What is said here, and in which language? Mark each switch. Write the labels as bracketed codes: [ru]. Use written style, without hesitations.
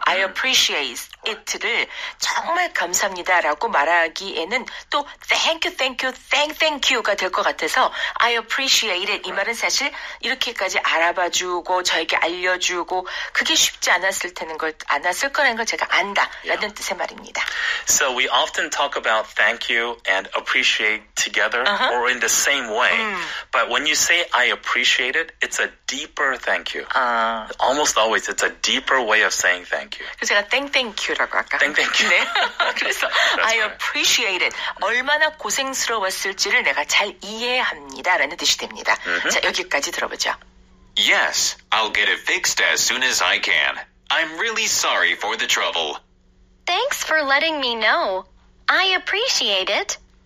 [en] I appreciate it [ko] 를 정말 감사합니다 라고 말하기에는 또 thank you가 될 것 같아서 I appreciate it. 이 말은 사실 이렇게까지 알아봐주고 저에게 알려주고 그게 쉽지 않았을 테는 걸 않았을 거라는 걸 제가 안다라는 yeah. 뜻의 말입니다. [en] So we often talk about thank you and appreciate together uh-huh. or in the same way. But when you say I appreciate it, it's a deeper thank you. Almost always it's a deeper way of saying thank you. [ko] 그래서 제가 thank you라고 할까? [en] Thank you. [ko] 네. 그래서 [en] I appreciate it. [ko] 얼마나 고생스러웠을지를 내가 잘 이해합니다라는 뜻이 됩니다. 자, 여기까지 들어보죠. [en] Yes, I'll get it fixed as soon as I can. I'm really sorry for the trouble. Thanks for letting me know. I appreciate it.